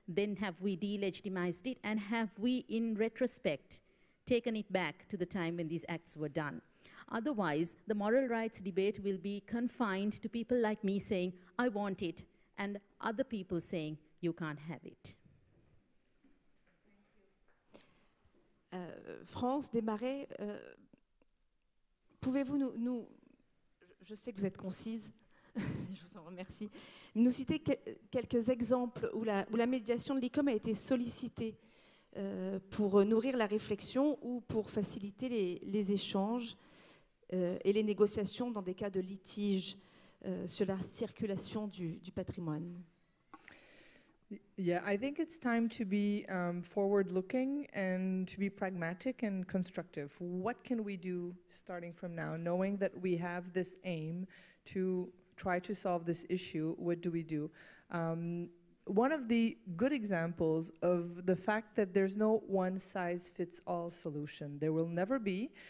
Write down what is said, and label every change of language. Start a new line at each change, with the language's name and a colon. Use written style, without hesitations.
English: Then have we delegitimized it? And have we, in retrospect, taken it back to the time when these acts were done? Otherwise, the moral rights debate will be confined to people like me saying, I want it, and other people saying, you can't have it.
French: France, Desmarais, pouvez-vous nous, je sais que vous êtes concise, je vous en remercie, nous citer quelques exemples où la médiation de l'ICOM a été sollicitée pour nourrir la réflexion ou pour faciliter les échanges et les négociations dans des cas de litige sur la circulation du patrimoine.
English: Yeah, I think it's time to be forward-looking and to be pragmatic and constructive. What can we do starting from now, knowing that we have this aim to try to solve this issue? What do we do? One of the good examples of the fact that there's no one-size-fits-all solution, there will never be.